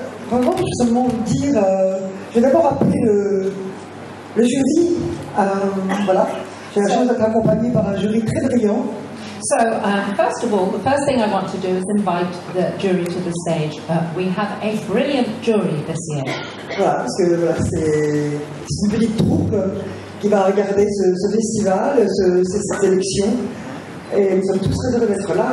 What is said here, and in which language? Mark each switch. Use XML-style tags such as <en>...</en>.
<fr>Vraiment, je veux seulement vous dire, je vais d'abord appeler le jury. Voilà, j'ai la chance d'être accompagnée par un jury très brillant.</fr> <en>So, first of all, the first thing I want to do is invite the jury to the stage. We have a brilliant jury this year.</en> <fr>Voilà, parce que voilà, c'est une petite troupe qui va regarder ce festival, cette élection. Et nous sommes tous très heureux d'être là.</fr>